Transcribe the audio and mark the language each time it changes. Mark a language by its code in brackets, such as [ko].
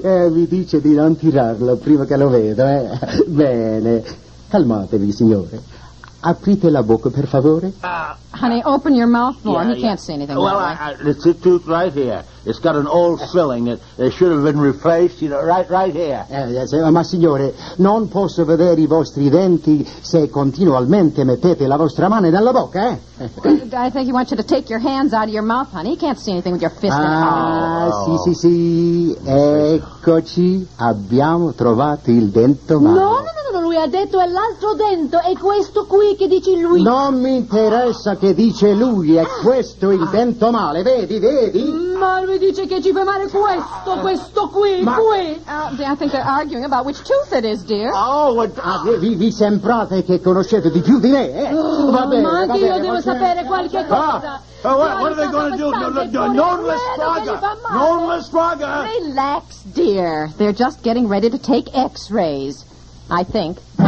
[it] Mi dice di non tirarlo prima che lo vedo, eh? Bene. Calmatevi, signore. Aprite la bocca, per favore. [en] Honey, open your mouth for him. He can't see anything. Well, it's a tooth right here. It's got an old filling. It should have been replaced, you know, right here. [it] Ma signore, non posso vedere i vostri denti se continualmente mettete la vostra mano nella bocca, eh? [en] I think he wants you to take your hands out of your mouth, honey. He can't see anything with your fist in your mouth. [it] Sì. Eccoci. Abbiamo trovato il dento male. No, lui ha detto è l'altro dento. È questo qui che dice lui. Non mi interessa che dice lui. È questo il dento male. Vedi? Ma lui dice che ci fa male questo qui. [en] I think they're arguing about which tooth it is, dear. [it] Vi sembrate che conoscete di più di me, eh? Va bene, ma anche io devo sapere qualche cosa. [en] What are they going to do? [it] Non lo spraga! [en] Relax, dear. They're just getting ready to take x-rays, I think.